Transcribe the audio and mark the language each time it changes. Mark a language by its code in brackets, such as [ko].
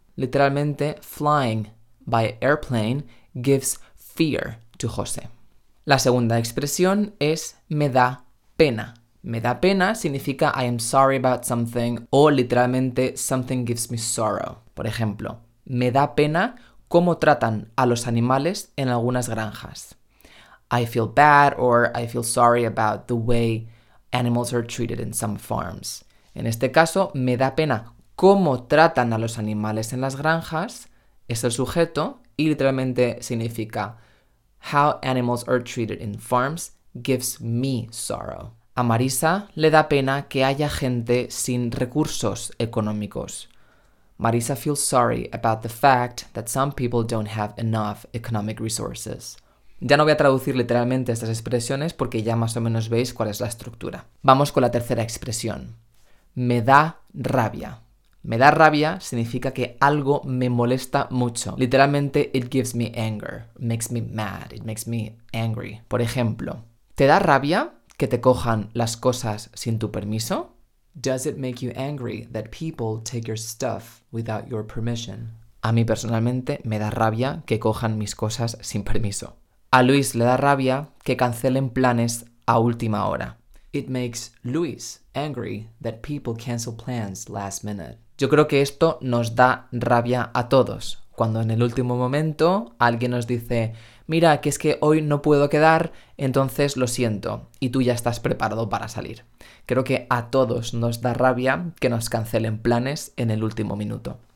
[en] Literalmente flying by airplane gives fear to José. [es] La segunda expresión es me da pena. Me da pena significa [en] I am sorry about something [es] o literalmente [en] something gives me sorrow. [es] Por ejemplo, me da pena cómo tratan a los animales en algunas granjas. [en] I feel bad or I feel sorry about the way animals are treated in some farms. [es] En este caso, me da pena cómo tratan a los animales en las granjas es el sujeto y literalmente significa [en] how animals are treated in farms [es] gives me sorrow. A Marisa le da pena que haya gente sin recursos económicos. [en] Marisa feels sorry about the fact that some people don't have enough economic resources. [es] Ya no voy a traducir literalmente estas expresiones porque ya más o menos veis cuál es la estructura. Vamos con la tercera expresión. Me da rabia. Me da rabia significa que algo me molesta mucho. [en] Literalmente, it gives me anger. Makes me mad. It makes me angry. [es] Por ejemplo, ¿te da rabia que te cojan las cosas sin tu permiso? [en] Does it make you angry that people take your stuff without your permission? [es] A mí personalmente me da rabia que cojan mis cosas sin permiso. A Luis le da rabia que cancelen planes a última hora. [en] It makes Luis angry that people cancel plans last minute. [es] Yo creo que esto nos da rabia a todos. Cuando en el último momento alguien nos dice, mira, que es que hoy no puedo quedar, entonces lo siento y tú ya estás preparado para salir. Creo que a todos nos da rabia que nos cancelen planes en el último minuto.